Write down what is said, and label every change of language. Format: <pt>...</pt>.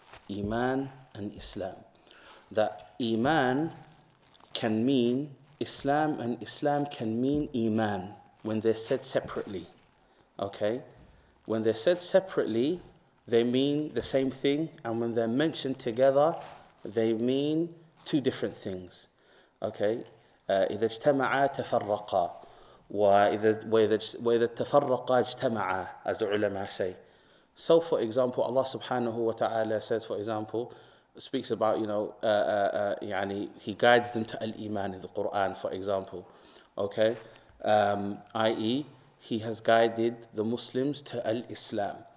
<en>Iman and Islam. That Iman can mean Islam, and Islam can mean Iman when they're said separately. Okay, when they're said separately, they mean the same thing, and when they're mentioned together, they mean two different things. Okay,</en> <ar>إذا اجتمعا تفرقا وإذا تفرقا اجتمعا,</ar> <en>as the ulama say. So, for example, Allah subhanahu wa ta'ala says, for example, speaks about, you know, يعني, He guides them to al-Iman in the Quran, for example. Okay, i.e., He has guided the Muslims to Al-Islam.</en>